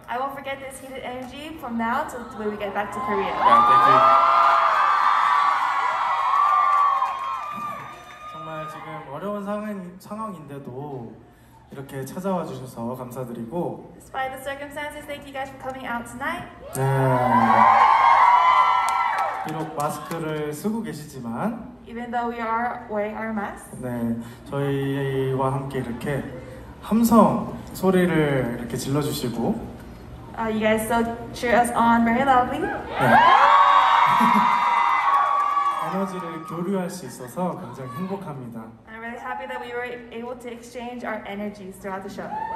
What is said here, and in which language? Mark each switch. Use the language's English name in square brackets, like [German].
[English] I won't forget this heated energy from now to when we get back to Korea. Yeah, thank you. [Korean] 정말 지금 어려운 상황인데도 이렇게 찾아와 주셔서 감사드리고. [English] Despite the circumstances, thank you guys for coming out tonight. [Korean] 네. 비록 마스크를 쓰고 계시지만 [English] Even though we are wearing our masks [Korean] 네, 저희와 함께 이렇게 함성 소리를 이렇게 질러주시고 [English] You guys still cheer us on very loudly [Korean] 네. 에너지를 교류할 수 있어서 굉장히 행복합니다 [English] I'm really happy that we were able to exchange our energies throughout the show